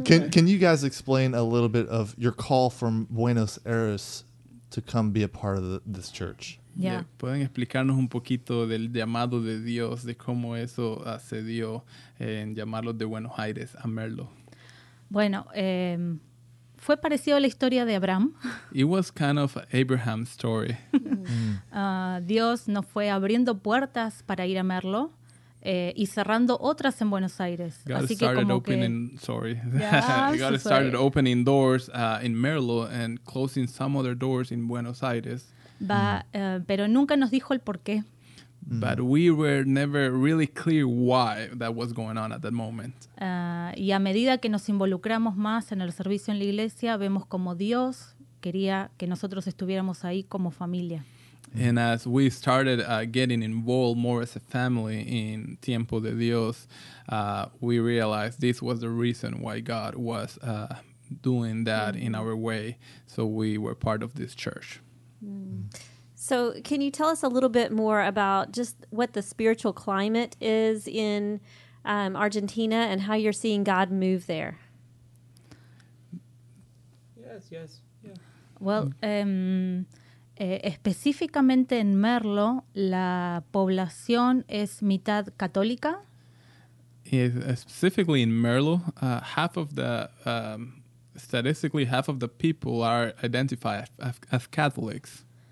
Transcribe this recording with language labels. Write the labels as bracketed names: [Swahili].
[English] Can you guys explain a little bit of your call from Buenos Aires to come be a part of this church? Yeah. [Spanish] ¿Pueden explicarnos un poquito del llamado de Dios, de cómo eso se dio en llamarlos de Buenos Aires a Merlo? Bueno, fue parecido a la historia de Abraham. [English] It was kind of Abraham's story. [Spanish] Dios nos fue abriendo puertas para ir a Merlo y cerrando otras en Buenos Aires. [English] God started opening doors in Merlo and closing some other doors in Buenos Aires. [Spanish] Pero nunca nos dijo el porqué. [English] But we were never really clear why that was going on at that moment. [Spanish] Y a medida que nos involucramos más en el servicio en la iglesia, vemos como Dios quería que nosotros estuviéramos ahí como familia. [English] And as we started getting involved more as a family in Tiempo de Dios, we realized this was the reason why God was doing that in our way. So we were part of this church. So can you tell us a little bit more about just what the spiritual climate is in Argentina and how you're seeing God move there? Yes. Yeah. [Spanish] Well, específicamente en Merlo, la población es mitad católica. [English] Specifically in Merlo, half of the people are identified as Catholics.